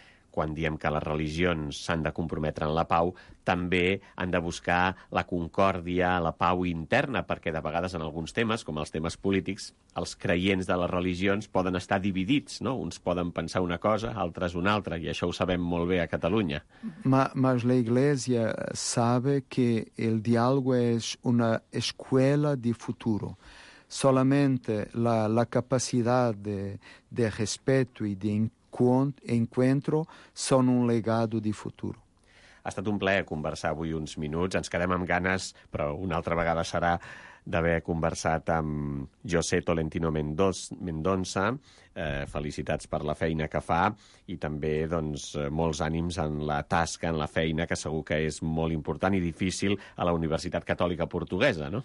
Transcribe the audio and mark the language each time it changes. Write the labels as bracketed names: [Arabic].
[Catalan] Quan diem que les religions s'han de comprometre en la pau, també han de buscar la concòrdia, la pau interna, perquè de vegades en alguns temes, com els temes polítics, els creients de les religions poden estar dividits, no? Uns poden pensar una cosa, altres una altra, i això ho sabem molt bé a Catalunya. [Spanish] Mas la Iglesia sabe que el diálogo es una escuela de futuro. Solamente la capacidad de respeto y de encuentro son un legado de futuro. [Catalan] Ha estat un plaer conversar avui uns minuts. Ens quedem amb ganes, però una altra vegada serà, d'haver conversat amb José Tolentino Mendonça. Felicitats per la feina que fa i també, doncs, molts ànims en la tasca, en la feina, que segur que és molt important i difícil a la Universitat Catòlica Portuguesa, no?